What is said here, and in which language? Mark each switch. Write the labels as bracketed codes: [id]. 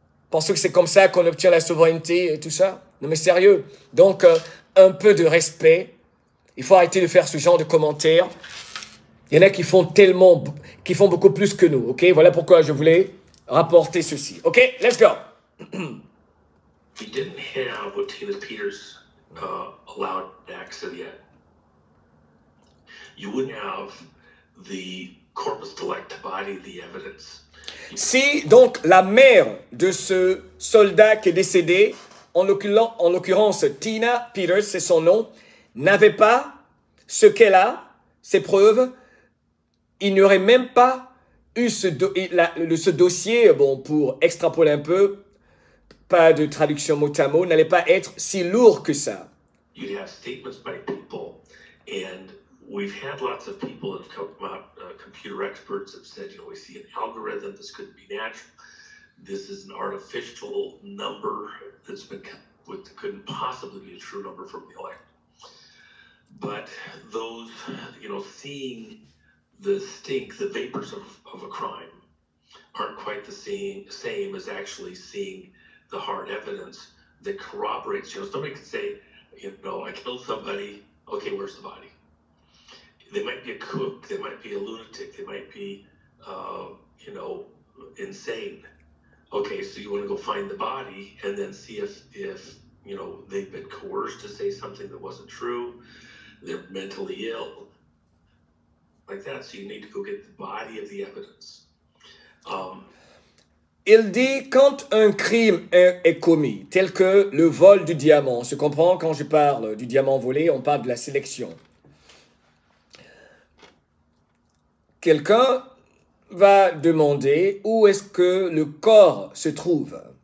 [fr] Pensez que c'est comme ça qu'on obtient la souveraineté et tout ça. Non mais sérieux. Donc, un peu de respect. Il faut arrêter de faire ce genre de commentaires. Il y en a qui font tellement, qui font beaucoup plus que nous, ok? Voilà pourquoi je voulais rapporter ceci. [en] Ok, let's go. He didn't have what Tina Peters allowed access yet. You wouldn't have the corpus delicti body, the evidence. [fr] Si donc la mère de ce soldat qui est décédé, en l'occurrence Tina Peters, c'est son nom, n'avait pas ce qu'elle a, ses preuves, il n'y aurait même pas eu ce dossier, bon, pour extrapoler un peu, pas de traduction mot à mot, n'allait pas être si lourd que ça. [en] You'd have statements by people, and we've had lots of people have come out, computer experts have said, you know, we see an algorithm, this couldn't be natural. This is an artificial number that's been kept, couldn't possibly be a true number from the elect. But those, you know, seeing the stink, the vapors of a crime, aren't quite the same as actually seeing the hard evidence that corroborates. You know, somebody could say, you know, I killed somebody. Okay, where's the body? They might be a kook. They might be a lunatic. They might be, you know, insane. Okay, so you want to go find the body and then see if you know, they've been coerced to say something that wasn't true. They're mentally ill. Like that, so you need to go get the body of the evidence. [fr] Il dit, quand un crime est commis, tel que le vol du diamant, on se comprend, quand je parle du diamant volé, on parle de la sélection. Quelqu'un va demander où est-ce que le corps se trouve.